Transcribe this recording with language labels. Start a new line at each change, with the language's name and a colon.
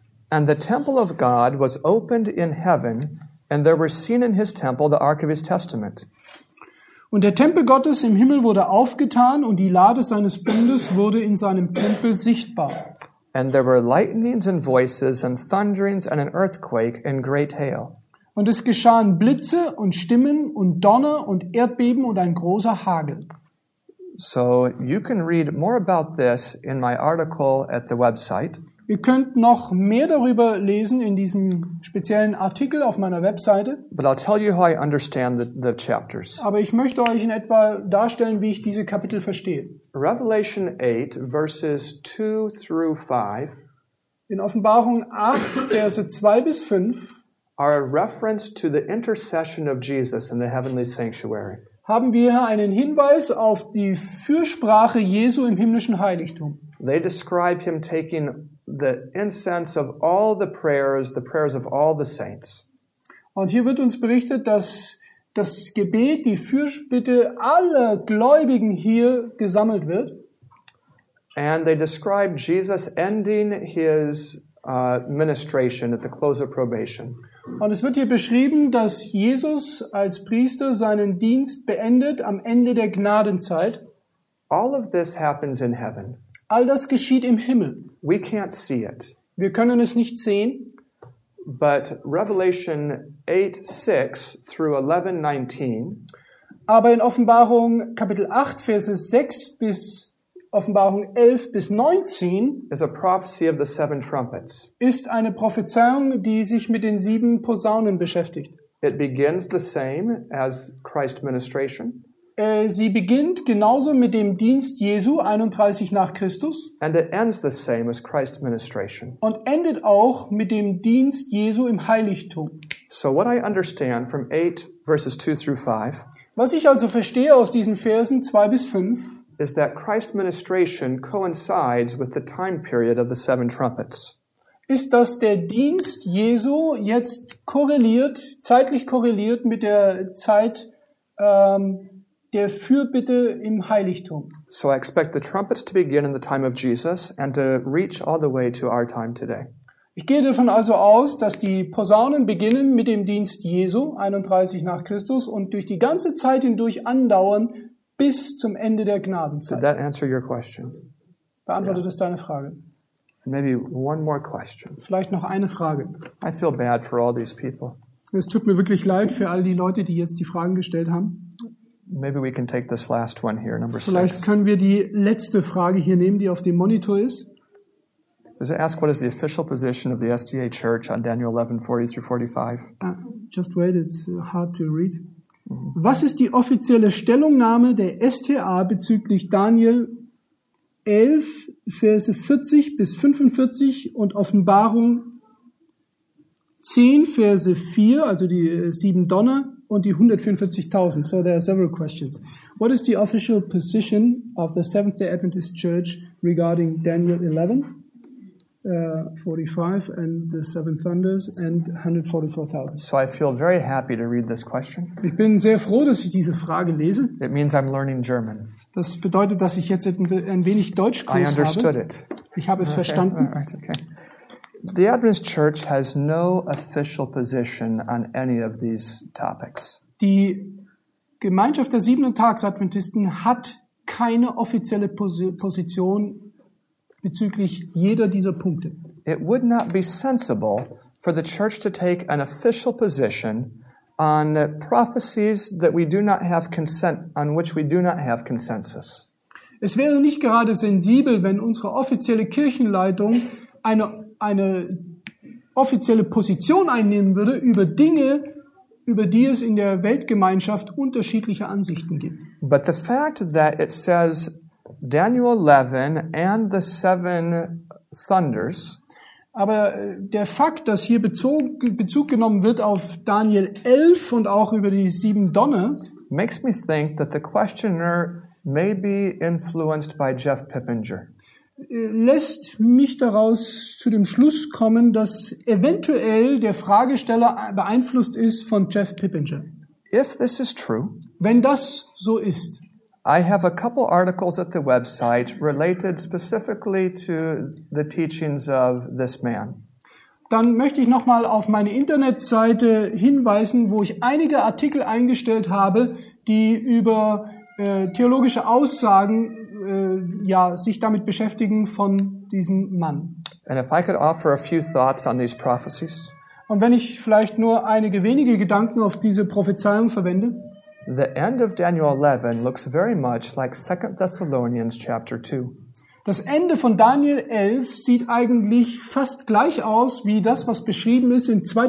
English: And the temple of God was opened in heaven, and there were seen in his temple the ark of his testament.
German: Und der Tempel Gottes im Himmel wurde aufgetan und die Lade seines Bundes wurde in seinem Tempel sichtbar.
English: And there were lightnings and voices and thunderings and an earthquake and great hail.
German: Und es geschahen Blitze und Stimmen und Donner und Erdbeben und ein großer Hagel.
English: So you can read more about this in my article at the website.
German: Ihr könnt noch mehr darüber lesen in diesem speziellen Artikel auf meiner Webseite.
English: But I'll tell you how I understand the chapters.
German: Aber ich möchte euch in etwa darstellen, wie ich diese Kapitel verstehe.
English: Revelation 8, verses 2 through 5.
German: In Offenbarung 8, Verse 2 bis 5.
English: Are a reference to the intercession of Jesus in the heavenly sanctuary.
German: Haben wir hier einen Hinweis auf die Fürsprache Jesu im himmlischen Heiligtum.
English: They describe him taking the incense of all the prayers of all the saints.
German: Und hier wird uns berichtet, dass das Gebet, die Fürbitte aller Gläubigen hier gesammelt wird.
English: And they describe Jesus ending his ministration at the close of probation.
German: Und es wird hier beschrieben, dass Jesus als Priester seinen Dienst beendet am Ende der Gnadenzeit.
English: All of this happens in heaven.
German: All das geschieht im Himmel.
English: We can't see it.
German: Wir können es nicht sehen.
English: But Revelation 8, 6 through 11, 19.
German: Aber in Offenbarung Kapitel 8, Verse 6 bis Offenbarung 11 bis 19
English: is a prophecy of the seven trumpets.
German: Ist eine Prophezeiung, die sich mit den sieben Posaunen beschäftigt.
English: It begins the same as Christ's ministration.
German: Sie beginnt genauso mit dem Dienst Jesu 31 nach Christus.
English: And it ends the same as Christ's ministration.
German: Und endet auch mit dem Dienst Jesu im Heiligtum.
English: So what I understand from 8 verses 2 through 5.
German: Was ich also verstehe aus diesen Versen 2 bis 5.
English: Is that Christ's ministration coincides with the time period of the seven trumpets.
German: Ist, dass der Dienst Jesu jetzt korreliert, zeitlich korreliert mit der Zeit der Fürbitte im Heiligtum.
English: So I expect the trumpets to begin in the time of Jesus and to reach all the way to our time today.
German: Ich gehe davon also aus, dass die Posaunen beginnen mit dem Dienst Jesu 31 nach Christus und durch die ganze Zeit hindurch andauern bis zum Ende der Gnadenzeit.
English: Did that answer your question?
German: Beantwortet es deine Frage?
English: Maybe one more question.
German: Vielleicht noch eine Frage.
English: I feel bad for all these people.
German: Es tut mir wirklich leid für all die Leute, die jetzt die Fragen gestellt haben.
English: Maybe we can take this last one here, number six.
German: Vielleicht können wir die letzte Frage hier nehmen, die auf dem Monitor ist.
English: Does it ask what is the official position of the SDA Church on Daniel 11, 40 through 45? Just wait, it's hard to read.
German: Was ist die offizielle Stellungnahme der STA bezüglich Daniel 11, Verse 40 bis 45 und Offenbarung 10, Verse 4, also die sieben Donner und die 144.000?
English: So there are several questions. What is the official position of the Seventh-day Adventist Church regarding Daniel 11, 45 and the seven thunders and 144,000. So I feel very happy to read this question.
German: Ich bin sehr froh, dass ich diese Frage lese.
English: It means I'm learning German.
German: Das bedeutet, dass ich jetzt ein wenig Deutschkurs habe.
English: I understood it.
German: Ich habe es verstanden.
English: Right, okay. The Adventist Church has no official position on any of these topics.
German: Die Gemeinschaft der Siebenten-Tags-Adventisten hat keine offizielle Position bezüglich jeder dieser Punkte.
English: It would not be sensible for the church to take an official position on prophecies that we do not have consent on, which we do not have consensus.
German: Es wäre nicht gerade sensibel, wenn unsere offizielle Kirchenleitung eine offizielle Position einnehmen würde über Dinge, über die es in der Weltgemeinschaft unterschiedliche Ansichten gibt.
English: But the fact that it says Daniel 11 and the seven thunders.
German: Aber der Fakt, dass hier Bezug genommen wird auf Daniel 11 und auch über die sieben Donner,
English: makes me think that the questioner may be influenced by Jeff Pippinger.
German: Lässt mich daraus zu dem Schluss kommen, dass eventuell der Fragesteller beeinflusst ist von Jeff Pippinger.
English: If this is true,
German: Wenn das so ist.
English: I have a couple articles at the website related specifically to the teachings of this man.
German: Dann möchte ich noch mal auf meine Internetseite hinweisen, wo ich einige Artikel eingestellt habe, die über theologische Aussagen sich damit beschäftigen von diesem Mann.
English: And if I could offer a few thoughts on these prophecies.
German: Und wenn ich vielleicht nur einige wenige Gedanken auf diese Prophezeiung verwende.
English: The end of Daniel 11 looks very much like 2 Thessalonians chapter 2.
German: Das Ende von Daniel 11 sieht eigentlich fast gleich aus wie das, was beschrieben ist in 2.